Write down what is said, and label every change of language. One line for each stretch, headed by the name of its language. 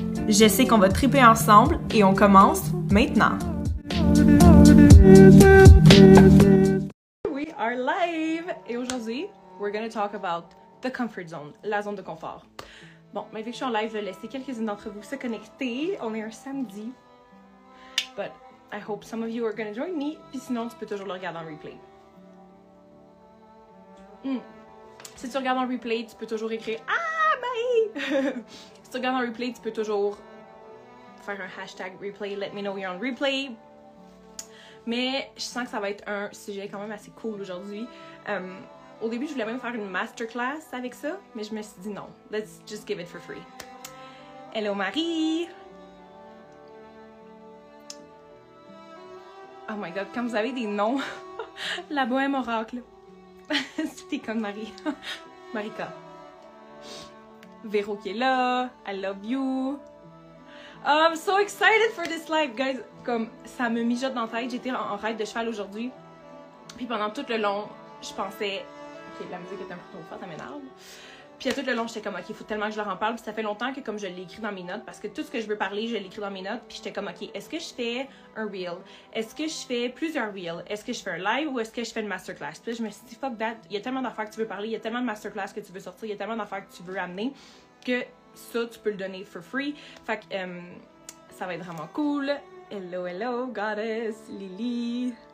French: Je sais qu'on va triper ensemble et on commence maintenant.
English: We are live!
French: Et aujourd'hui,
English: we're going to talk about the comfort zone,
French: la zone de confort. Bon, maintenant que je suis en live, je vais laisser quelques-unes d'entre vous se connecter. On est un samedi.
English: But I hope some of you are going to join me.
French: Puis sinon, tu peux toujours le regarder en replay. Si tu regardes en replay, tu peux toujours écrire « Ah, bye! » Si tu regardes en replay, tu peux toujours faire un hashtag replay, «
English: Let me know you're on replay.
French: » Mais je sens que ça va être un sujet quand même assez cool aujourd'hui. Au début, je voulais même faire une masterclass avec ça, mais je me suis dit non.
English: Let's just give it for free. Hello, Marie! Oh my God,
French: quand vous avez des noms, la bohème oracle. C'est des connes, Marie. Marika. Véro qui est là.
English: I love you. I'm so excited for this live, guys.
French: Comme ça me mijote dans la tête. J'étais en ride de cheval aujourd'hui. Puis pendant tout le long, je pensais. Ok, la musique est un peu trop forte, ça m'énerve. Puis à tout le long, j'étais comme, ok, il faut tellement que je leur en parle. Puis ça fait longtemps que, comme je l'ai écrit dans mes notes, parce que tout ce que je veux parler, je l'ai écrit dans mes notes. Puis j'étais comme, ok, est-ce que je fais un reel? Est-ce que je fais plusieurs reels? Est-ce que je fais un live ou est-ce que je fais une masterclass? Puis là, je me suis dit,
English: fuck that,
French: il y a tellement d'affaires que tu veux parler, il y a tellement de masterclass que tu veux sortir, il y a tellement d'affaires que tu veux amener que ça, tu peux le donner
English: for free.
French: Fait que ça va être vraiment cool.
English: Hello, hello, goddess, Lily.